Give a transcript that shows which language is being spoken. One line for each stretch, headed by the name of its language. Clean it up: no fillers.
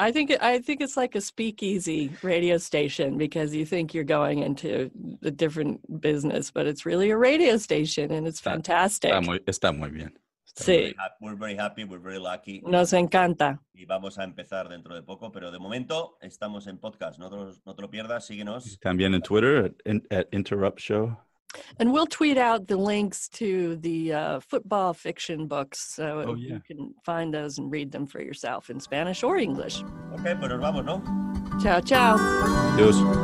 English: I think it's like a speakeasy radio station, because you think you're going into a different business, but it's really a radio station, and it's fantastic.
Spanish: Está muy bien.
English: We're very happy, we're very lucky.
Spanish: Nos encanta. Y vamos a empezar dentro de poco, pero de momento estamos en podcast. No te lo pierdas, síguenos. También en Twitter, at Interrupt Show.
English: And we'll tweet out the links to the football fiction books, so you can find those and read them for yourself in Spanish or English.
Spanish: Okay. viaje, pero vamos, ¿no? Chao, chao. Adiós.